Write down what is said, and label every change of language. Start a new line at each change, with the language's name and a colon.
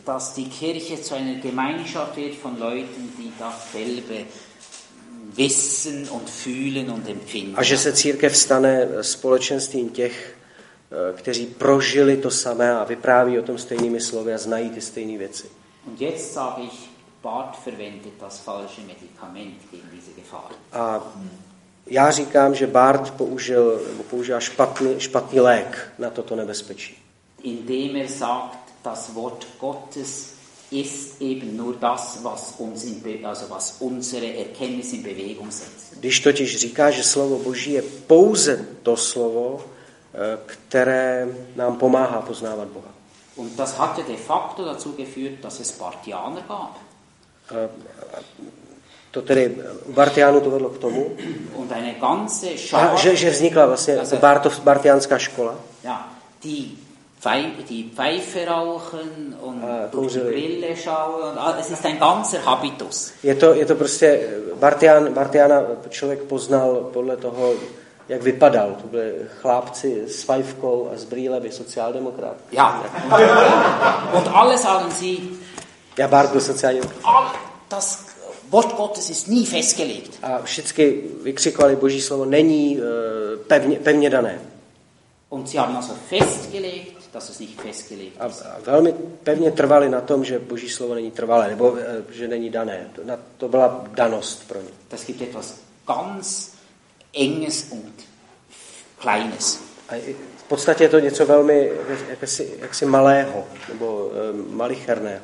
German: Dass die Kirche zu einer Gemeinschaft wird von Leuten, die dasselbe wissen und fühlen und empfinden.
Czech: A že se církev stane společenstvím těch, kteří prožili to samé a vypráví o tom stejnými slovy a znají ty stejné věci.
German: Und jetzt sage ich, Bart verwendet das falsche Medikament gegen diese Gefahr.
Czech: A já říkám, že Bart používá špatný lék na toto nebezpečí.
German: Indem er sagt, das Wort Gottes ist eben nur das, was uns in also was unsere Erkenntnis in Bewegung setzt.
Czech: Když totiž říká, že slovo Boží je pouze to slovo, které nám pomáhá poznávat Boha.
German: Und das hat ja de facto dazu geführt, dass es Bartianer gab.
Czech: To tedy Bartiánu to vedlo k tomu,
German: und eine ganze
Czech: že vznikla vlastně bartiánská škola.
German: Ja, die Pfeife rauchen und durch die Brille schauen und es ist ein ganzer Habitus.
Czech: Je to prostě Bartiana člověk poznal podle toho, jak vypadal. To byli chlápci s fajfkou a s brýlemi, sociáldemokrát.
German: Ja. Und alle sagen sie.
Czech: Ja, Bart byl sociáldemokrát.
German: Das Wort Gottes ist nie festgelegt.
Czech: A všichni vykřikovali, Boží slovo není pevně dané.
German: Und sie haben also festgelegt, dass es nicht festgelegt ist.
Czech: A velmi pevně trvali na tom, že Boží slovo není trvalé, nebo že není dané. To byla danost pro ně.
German: Das gibt etwas ganz enges und kleines.
Czech: A v podstatě je to něco velmi jaksi malého, nebo malicherného.